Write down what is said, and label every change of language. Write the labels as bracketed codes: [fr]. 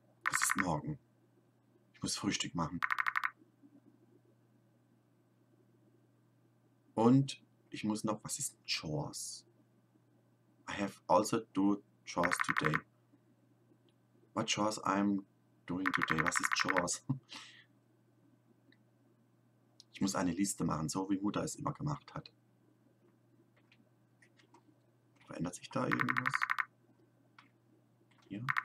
[de] Es ist morgen. Ich muss Frühstück machen. Und ich muss noch, was ist Chores? [en] I have also do Chores today. What Chores I'm doing today? [de] Was ist Chores? Ich muss eine Liste machen, so wie Mutter es immer gemacht hat. Verändert sich da irgendwas? Hier?